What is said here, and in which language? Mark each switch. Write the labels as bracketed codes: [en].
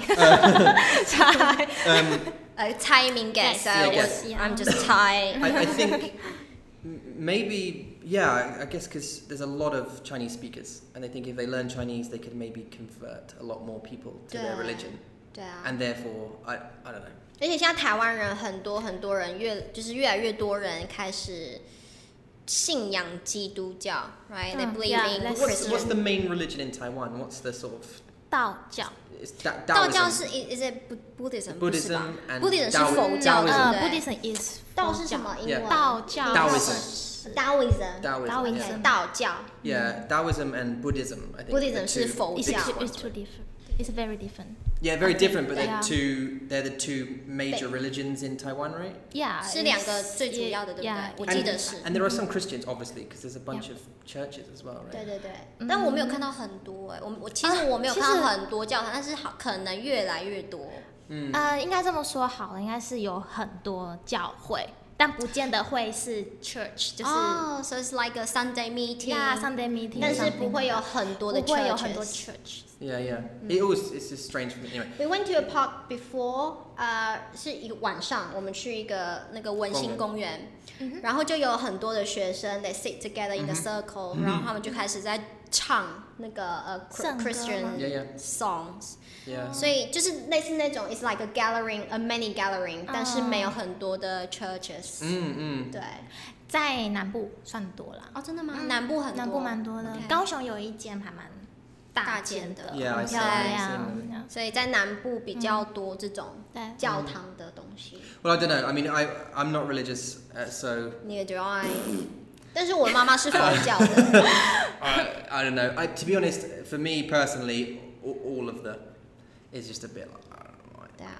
[en] Thai. Thai. Thai mean guess. So yeah, guess. Yeah. I'm just Thai. I think maybe, yeah, I guess because there's a lot of Chinese speakers. And I think if they learn Chinese, they could maybe convert a lot more people to their religion. Yeah. And therefore, I don't know. [zh] 而且像台湾人很多很多人越,就是越来越多人开始信仰基督教, right? [en] They believe in Christian. What's the main religion in Taiwan? What's the sort of... [zh] 道教. [en] Is it Buddhism? Buddhism and Buddhism Daoism. Is 佛教, Buddhism is [zh] 道是什么英文? [en] Yeah. [zh] 道教. [en] Daoism. Daoism. Daoism. Yeah. [zh] 道教. [en] Yeah, Daoism and Buddhism, I think. [zh] Buddhism 是佛教. [en] It's too different. It's very different. Yeah, very different, but they're the two major religions in Taiwan, right? Yeah. [zh] 是两个最主要的，对不对？我记得是。 [en] And there are some Christians, obviously, because there's a bunch of churches as well, right? [zh] 对对对。Mm-hmm. 但我没有看到很多，我其实我没有看到很多教堂，但是可能越来越多。应该这么说好了，应该是有很多教会。但不见得会是 church, 就是 [en] so it's like a Sunday meeting. Yeah, Sunday meeting. [zh] 但是不会有很多的 churches. 不会有很多 church. [en] Yeah, yeah. It was, it's just strange for me. Anyway. We went to a park before, [zh] 是一个晚上，我们去一个那个文心公园，然后就有很多的学生 [en] they sit together in a circle, [zh] 然后他们就开始在唱那个Christian songs. [en] Yeah. [zh] 所以就是类似那种 [en] it's like a gathering, a mini gathering, [zh] 但是没有很多的 churches. 对，在南部算多了。哦，真的吗？南部很多，南部蛮多的。高雄有一间还蛮大间的。 [en] Yeah, I see. Yeah. [zh] 所以在南部比较多这种教堂的东西。 [en] Well, I don't know. I mean, I'm not religious, so. Neither do I. [zh] 但是我妈妈是佛教的。 [en] I don't know. To be honest, for me personally, all of the is just a bit like, I don't know.